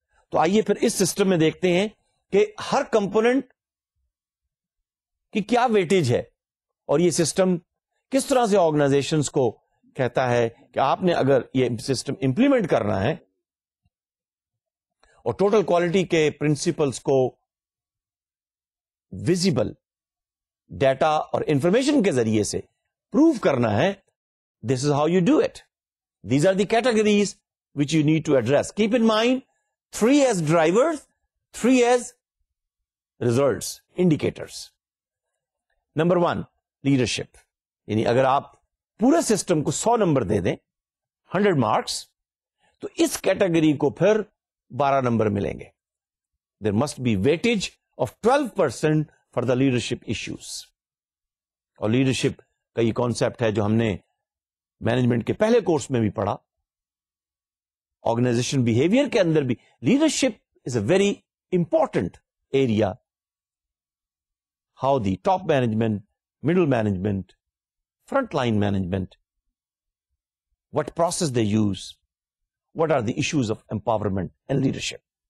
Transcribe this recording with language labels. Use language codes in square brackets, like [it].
[ur] تو آئیے پھر اس سسٹم میں دیکھتے ہیں کہ ہر کمپونیٹ کی کیا ویٹیج ہے, اور یہ سسٹم کس طرح سے آرگنائزیشنز کو کہتا ہے کہ آپ نے اگر یہ سسٹم امپلیمنٹ کرنا ہے اور ٹوٹل کوالٹی کے پرنسپلز کو ویزیبل ڈیٹا اور انفارمیشن کے ذریعے سے پروف کرنا ہے, [en] This is how you do it. These are the categories which you need to address. Keep in mind three as drivers, three as results, indicators. [ur] Number one, leadership. یعنی اگر آپ پورے سسٹم کو 100 نمبر دے دیں, 100 مارکس, تو اس category کو پھر 12 number ملیں گے. [en] There must be weightage of 12% for the leadership issues. [ur] اور لیڈرشپ کا یہ کانسیپٹ ہے جو ہم نے مینجمنٹ کے پہلے کورس میں بھی پڑھا, آرگنائزیشن بہیویئر کے اندر بھی [en] Leadership is a very important area. How the top management, middle management, front line management, what process they use, what are the issues of empowerment and leadership.